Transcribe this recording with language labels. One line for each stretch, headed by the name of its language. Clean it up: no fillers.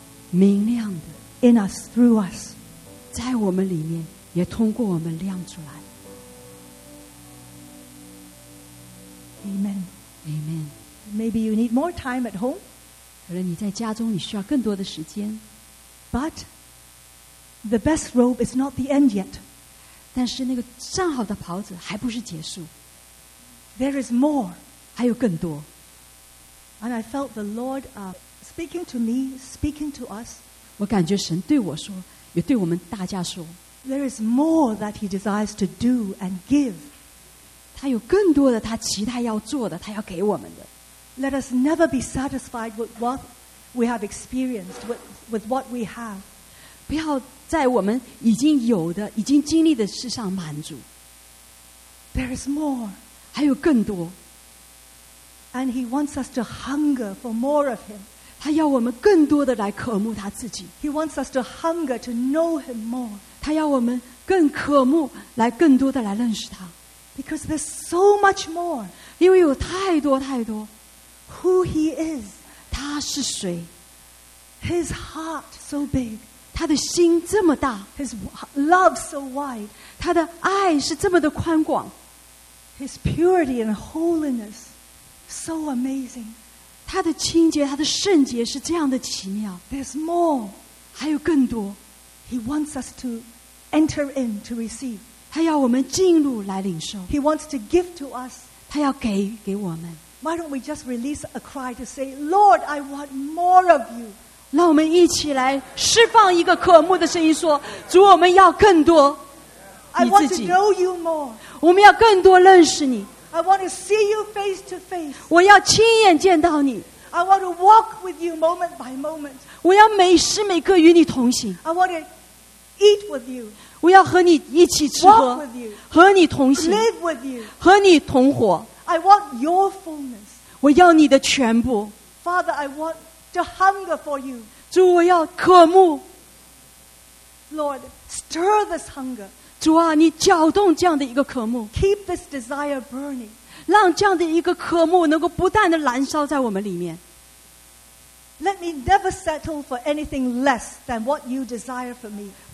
Chinese: 明亮的。
English: In us, through us.
Chinese: 在我们里面, 也通过我们亮出来。
English: Amen. Amen. Maybe you need more time at home.
Chinese: 可能你在家中你需要更多的时间。
English: But the best robe is not the end yet.
Chinese: 但是那个上好的袍子还不是结束。
English: There is more.
Chinese: 还有更多。
English: And I felt the Lord speaking to me, speaking to us.
Chinese: 我感觉神对我说, 也对我们大家说,
English: There is more that He desires to do and give.
Chinese: 他有更多的他期待要做的, 他要给我们的。
English: Let us never be satisfied with what we have experienced, with what we have.
Chinese: 不要在我们已经有的, 已经经历的事上满足。
English: There is more.
Chinese: 还有更多。
English: And He wants us to hunger for more of Him.
Chinese: 他要我们更多地来渴慕他自己。
English: He wants us to hunger to know Him more.
Chinese: 他要我们更渴慕来更多地来认识他。
English: Because there's so much more.
Chinese: 因为有太多太多。
English: Who He is.
Chinese: 他是谁。
English: His heart so big.
Chinese: 他的心这么大。
English: His love so wide.
Chinese: 他的爱是这么的宽广。
English: His purity and holiness so amazing.
Chinese: 他的清洁,他的圣洁是这样的奇妙。
English: There's more.
Chinese: 还有更多。
English: He wants us to enter in to receive.
Chinese: 他要我们进入来领受。
English: He wants to give to us.
Chinese: 他要给我们。
English: Why don't we just release a cry to say, Lord, I want more of you.
Chinese: 让我们一起来释放一个渴慕的声音说, 主我们要更多。
English: I want to know you more.
Chinese: 我们要更多认识你。
English: I want to see you face to face.
Chinese: 我要亲眼见到你。
English: I want to walk with you moment by moment.
Chinese: 我要每时每刻与你同行。
English: I want to eat with you.
Chinese: 我要和你一起吃喝。
English: Walk with you.
Chinese: 和你同行。
English: Live with you.
Chinese: 和你同活。
English: I want your fullness.
Chinese: 我要你的全部。
English: Father, I want to hunger for you.
Chinese: 主，我要渴慕。
English: Lord, stir this hunger.
Chinese: 主啊,你搅动这样的一个渴慕。
English: Keep this desire burning.
Chinese: 让这样的一个渴慕能够不断地燃烧在我们里面。
English: Let me never settle for anything less than what you desire for me.